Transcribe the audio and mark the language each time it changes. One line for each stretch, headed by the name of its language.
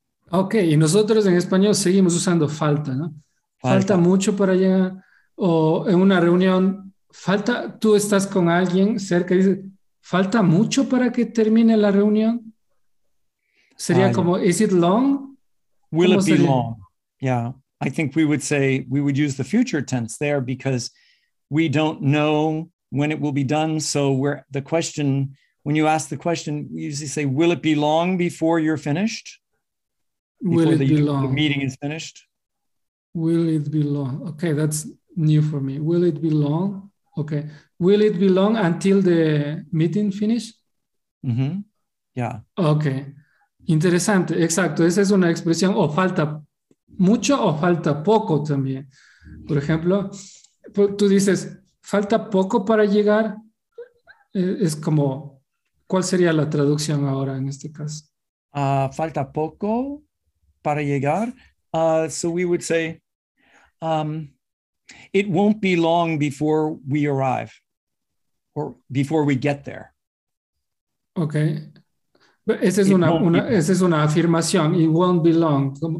Spanish: Okay, y nosotros en español seguimos usando falta, ¿no? Falta mucho para llegar. O en una reunión, tú estás con alguien cerca y dices, ¿falta mucho para que termine la reunión? Sería como,
English: ¿is it long? Will it be long? Yeah, I think we would use the future tense there because we don't know when it will be done. So when you ask the question, you usually say, will it be long before you're finished? Will it be long? The meeting is finished? Will it be long? Okay, that's new for me. Will it be long? Okay. Will it be long until the meeting finish? Yeah.
Spanish: Okay. Interesante. Exacto. Esa es una expresión. O falta mucho o falta poco también. Por ejemplo, tú dices, falta poco para llegar. Es como, ¿cuál sería la traducción ahora en este caso? Falta poco para llegar.
English: So we would say, it won't be long before we arrive or before we get there.
Spanish: Okay. Esa es una afirmación.
English: It won't be long.